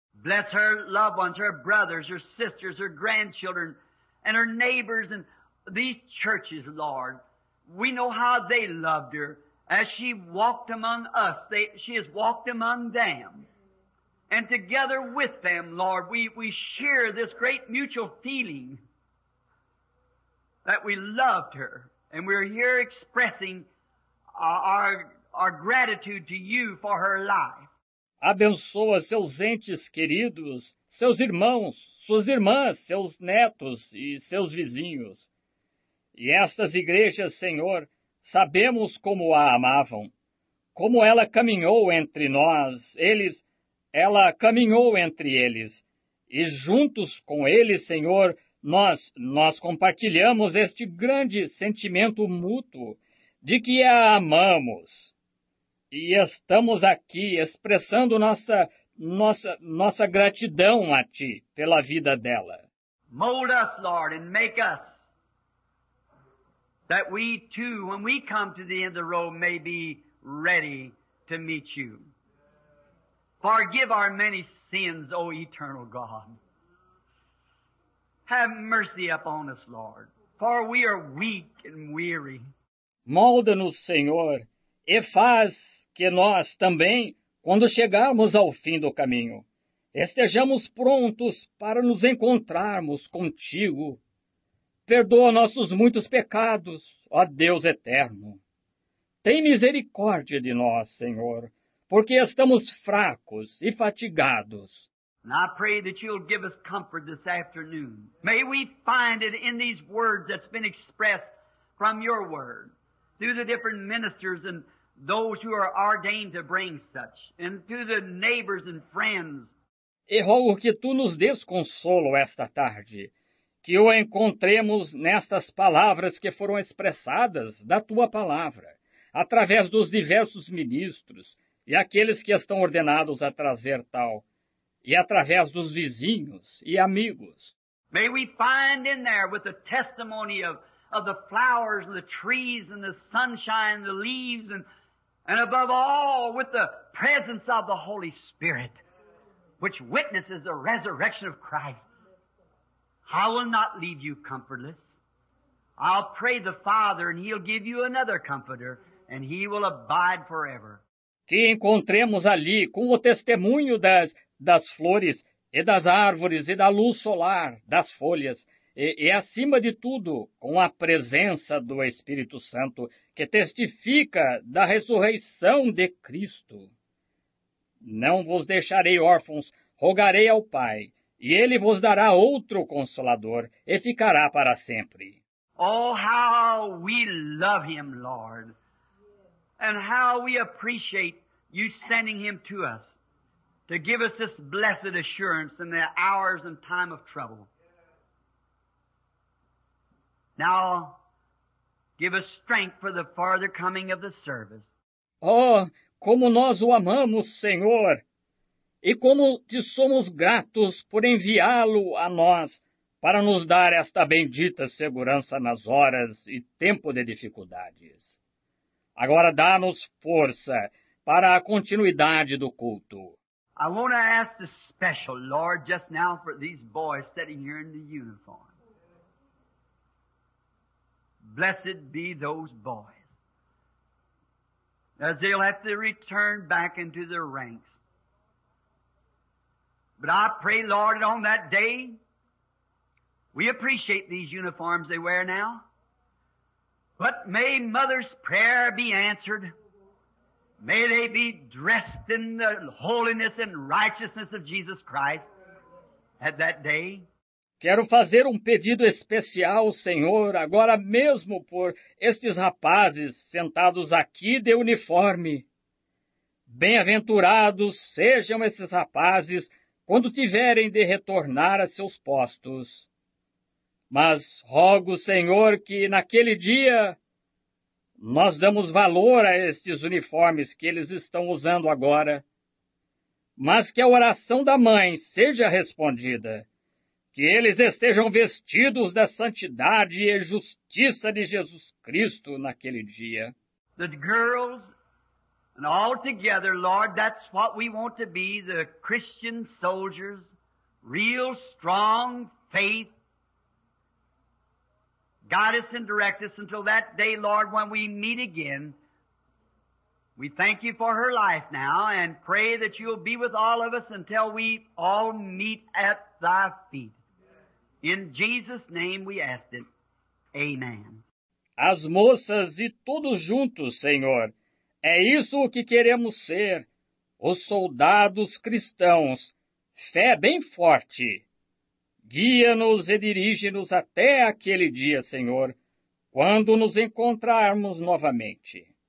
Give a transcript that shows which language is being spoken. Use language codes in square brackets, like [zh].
[en] Bless her loved ones, her brothers, her sisters, her grandchildren, and her neighbors, and these churches, Lord. We know how they loved her. As she walked among us, she has walked among them. And together with them, Lord, we share this great mutual feeling that we loved her. And we're here expressing our gratitude to you for her life. [pt] Abençoa seus entes queridos, seus irmãos, suas irmãs, seus netos e seus vizinhos. E estas igrejas, Senhor, sabemos como a amavam, como ela caminhou entre nós, eles... Ela caminhou entre eles, e juntos com eles, Senhor, nós compartilhamos este grande sentimento mútuo de que a amamos. E estamos aqui expressando nossa gratidão a Ti pela vida dela. [en] Mold us, Lord, and make us, that we too, when we come to the end of the road, may be ready to meet You. Forgive our many sins, O eternal God. Have mercy upon us, Lord. for we are weak and weary. [pt] Molda-nos, Senhor, e faz que nós também, quando chegarmos ao fim do caminho, estejamos prontos para nos encontrarmos contigo. Perdoa nossos muitos pecados, ó Deus eterno. Tem misericórdia de nós, Senhor, porque estamos fracos e fatigados. [en] And I pray that you'll give us comfort this afternoon. May we find it in these words that's been expressed from your word, through the different ministers and those who are ordained to bring such, and to the neighbors and friends. [pt] E rogo que tu nos dês consolo esta tarde, que o encontremos nestas palavras que foram expressadas da tua palavra, através dos diversos ministros e aqueles que estão ordenados a trazer tal, e através dos vizinhos e amigos. [en] May we find in there with the testimony of the flowers and the trees and the sunshine and the leaves and above all with the presence of the Holy Spirit, which witnesses the resurrection of Christ. I will not leave you comfortless. I'll pray the Father and He'll give you another comforter and He will abide forever. [pt] Que encontremos ali com o testemunho das flores e das árvores e da luz solar das folhas, e acima de tudo, com a presença do Espírito Santo, que testifica da ressurreição de Cristo. Não vos deixarei órfãos, rogarei ao Pai, e Ele vos dará outro Consolador, e ficará para sempre. [en] Oh, how we love Him, Lord, and how we appreciate You sending Him to us, to give us this blessed assurance in the hours and time of trouble. Now, give us strength for the farther coming of the service. [pt] Oh, como nós o amamos, Senhor, e como te somos gratos por enviá-lo a nós para nos dar esta bendita segurança nas horas e tempo de dificuldades. Agora, dá-nos força para a continuidade do culto. [en] I want to ask the special Lord just now for these boys sitting here in the uniform. Blessed be those boys, as they'll have to return back into their ranks. But I pray, Lord, on that day, we appreciate these uniforms they wear now. But may mother's prayer be answered. May they be dressed in the holiness and righteousness of Jesus Christ at that day. [pt] Quero fazer pedido especial, Senhor, agora mesmo por estes rapazes sentados aqui de uniforme. Bem-aventurados sejam esses rapazes quando tiverem de retornar a seus postos. Mas rogo, Senhor, que naquele dia nós damos valor a estes uniformes que eles estão usando agora, mas que a oração da mãe seja respondida, que eles estejam vestidos da santidade e justiça de Jesus Cristo naquele dia. [en] The girls, and all together, Lord, that's what we want to be, the Christian soldiers, real strong faith. Guide us and direct us until that day, Lord, when we meet again. We thank you for her life now and pray that you'll be with all of us until we all meet at thy feet. In Jesus' name we ask it. Amen. [pt] As moças e todos juntos, Senhor, é isso o que queremos ser, os soldados cristãos, fé bem forte. Guia-nos e dirige-nos até aquele dia, Senhor, quando nos encontrarmos novamente.